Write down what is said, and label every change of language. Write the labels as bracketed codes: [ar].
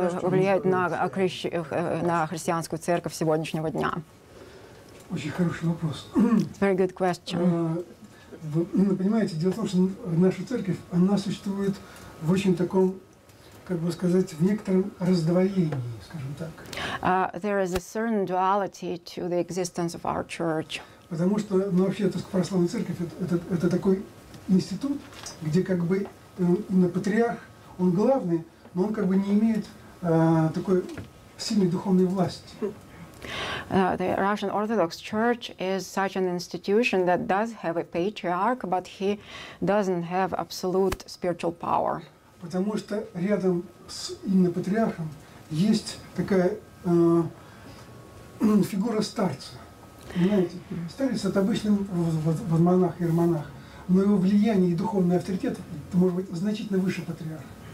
[ru] Влияет на христианскую церковь сегодняшнего дня? Очень хороший вопрос. [en] Very good question. [ru] Вы понимаете, дело в том, что наша церковь, она существует в очень таком, как бы сказать, в некотором раздвоении, скажем так. [en] There is a certain duality to the existence of our church. [ru] Потому что, ну вообще, это православная церковь, это такой институт, где как бы на патриарх, он главный, но он как бы не имеет такой сильной духовной власти. [en] The Russian Orthodox Church is such an institution that does have a patriarch, but he doesn't have absolute spiritual power. [ru] Потому что рядом с именно патриархом есть такая фигура старца. Понимаете? Старец это обычный монах, иеромонах, но его влияние и духовный авторитет может быть значительно выше патриарха.